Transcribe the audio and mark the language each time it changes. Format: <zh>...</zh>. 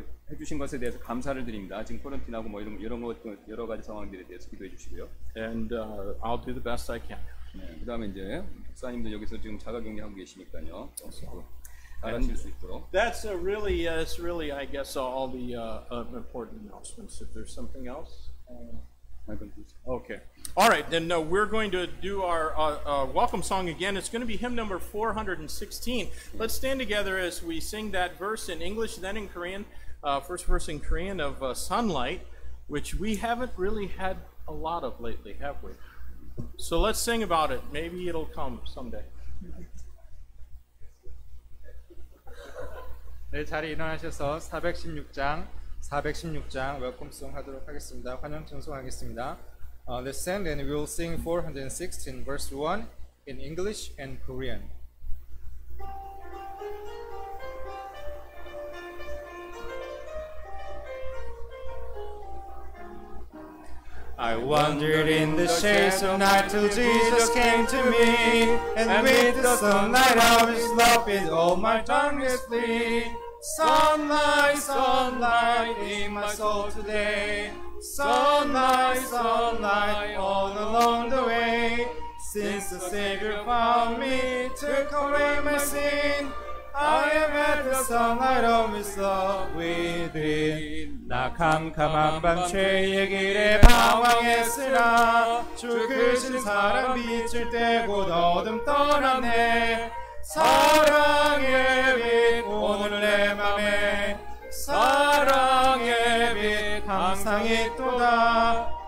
<ko>해주신 것에 대해서 감사를 드립니다. 지금 코런틴하고 뭐 이런 것 여러 가지 상황들에 대해서 기도해 주시고요.</ko> <en>And I'll do the best I can.</en> <ko>네, 그다음에 이제 목사님도 여기서 지금 자가격리하고 계시니까요. 알아낼 수 있도록.</ko> <en>That's a really, it's really, I guess, all the important announcements. If there's something else, Okay. All right, then we're going to do our welcome song again. It's going to be hymn number 416. Let's stand together as we sing that verse in English, then in Korean, first verse in Korean of Sunlight, which we haven't really had a lot of lately, have we? So let's sing about it. Maybe it'll come someday.</en> <ko>네, 자리 일어나셔서 416장 웰컴 송 하도록 하겠습니다. 환영 찬송하겠습니다.</ko> <en>Let's stand and we'll sing 416 verse 1 in English and Korean. 1 I wandered in the shades of night till Jesus came to me, and with the sunlight of his love in all my darkness flee. Sunlight, sunlight in my soul today. Sunlight, sunlight all along the way. Since the Savior found me, took away my sin, I am at the sunlight of His love within.</en> <ko>나 캄캄한 밤 죄의 길에 방황했으나 주 크신 사랑 비칠 때 곧 어둠 떠났네. 사랑의 빛 오늘 내 맘에, 사랑의 빛 항상 있도다.</ko>